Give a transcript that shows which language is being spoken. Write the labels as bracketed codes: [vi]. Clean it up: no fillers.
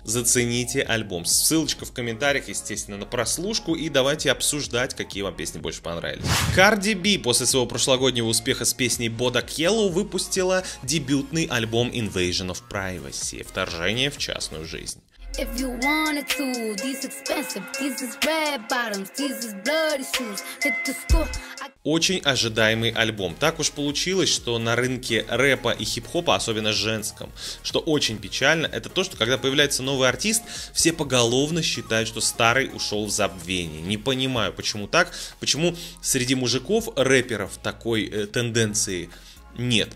[ru] Зацените альбом. Ссылочка в комментариях, естественно, на прослушку. И давайте обсуждать, какие вам песни больше понравились. Cardi B после своего прошлогоднего успеха с песней Bodak Yellow выпустила дебютный альбом Invasion of Privacy. Вторжение в частную жизнь. [en] If you wanted to, these expensive, these is red bottoms, these is bloody shoes, hit the school. [ru] Очень ожидаемый альбом. Так уж получилось, что на рынке рэпа и хип-хопа, особенно женском, что очень печально, это то, что когда появляется новый артист, все поголовно считают, что старый ушел в забвение. Не понимаю, почему так, почему среди мужиков, рэперов, такой тенденции нет.